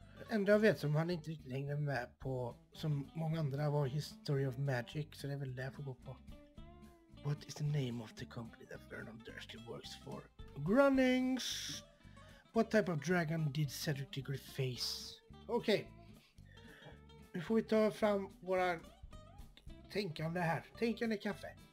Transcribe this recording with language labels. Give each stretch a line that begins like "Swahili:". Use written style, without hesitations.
Swedish: Ändå jag vet som han inte riktigt hängde med på som många andra var History of Magic, så det är väl det jag får gå på.
English: What is the name of the company that Vernon Dursley works for? Grunnings! What type of dragon did Cedric Diggory face? Okej. Okay.
Swedish: Nu får vi ta fram våra tänkande här. Tänkande kaffe.